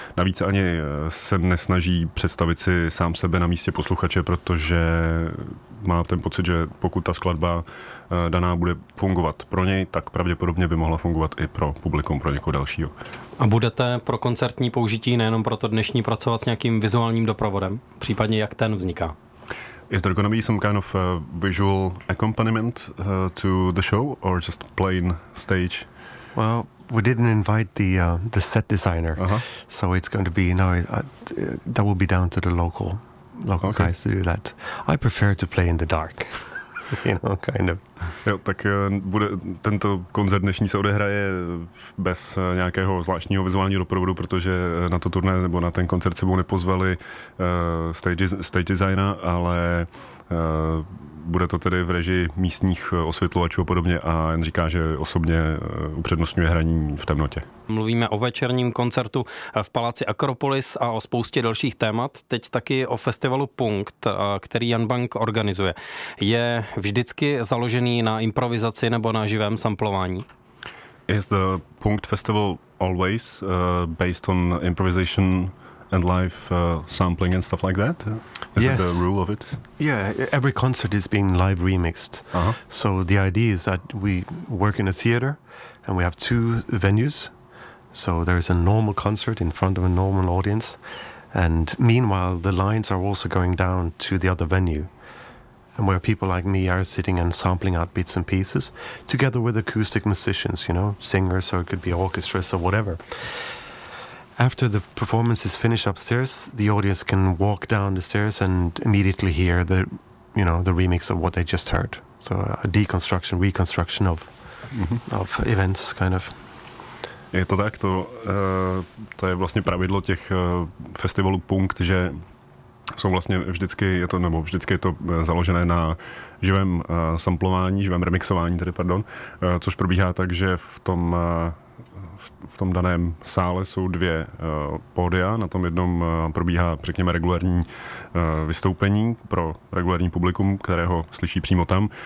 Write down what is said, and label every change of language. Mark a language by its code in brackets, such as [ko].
[cs] Navíc ani se nesnaží představit si sám sebe na místě posluchače, protože má ten pocit, že pokud ta skladba daná bude fungovat pro něj, tak pravděpodobně by mohla fungovat i pro publikum, pro někoho dalšího. A budete pro koncertní použití, nejenom pro to dnešní, pracovat s nějakým vizuálním doprovodem? Případně jak ten vzniká? [en] Is there going to be some kind of visual accompaniment to the show, or just plain stage? Well, We didn't invite the set designer, so it's going to be, you know, that will be down to the local okay. guys to do that. I prefer to play in the dark. You know, kind of. [cs] Jo, tak bude tento koncert dnešní se odehraje bez nějakého zvláštního vizuálního doprovodu, protože na to turné nebo na ten koncert sebou nepozvali stage designa, ale bude to tedy v režii místních osvětlovačů a podobně, a jen říká, že osobně upřednostňuje hraní v temnotě. Mluvíme o večerním koncertu v Paláci Akropolis a o spoustě dalších témat, teď taky o festivalu Punkt, který Jan Bank organizuje. Je vždycky založený na improvizaci nebo na živém samplování? [en] Is the Punkt festival always based on improvisation and live sampling and stuff like that? Is yes. it the rule of it? Yeah, every concert is being live remixed. Uh-huh. So the idea is that we work in a theater and we have two venues. So there is a normal concert in front of a normal audience. And meanwhile, the lines are also going down to the other venue, and where people like me are sitting and sampling out bits and pieces together with acoustic musicians, you know, singers, or it could be orchestras or whatever. After the performance is finished upstairs, the audience can walk down the stairs and immediately hear the, you know, the remix of what they just heard. So a deconstruction, reconstruction of mm-hmm. of events, kind of. [cs] Je to tak, to je vlastně pravidlo těch festivalů Punkt, že jsou vlastně vždycky, je to, nebo vždycky je to založené na živém samplování, živém remixování, tedy pardon, což probíhá tak, že v tom daném sále jsou dvě pódia, na tom jednom probíhá, řekněme, regulární vystoupení pro regulární publikum, kterého slyší přímo tam.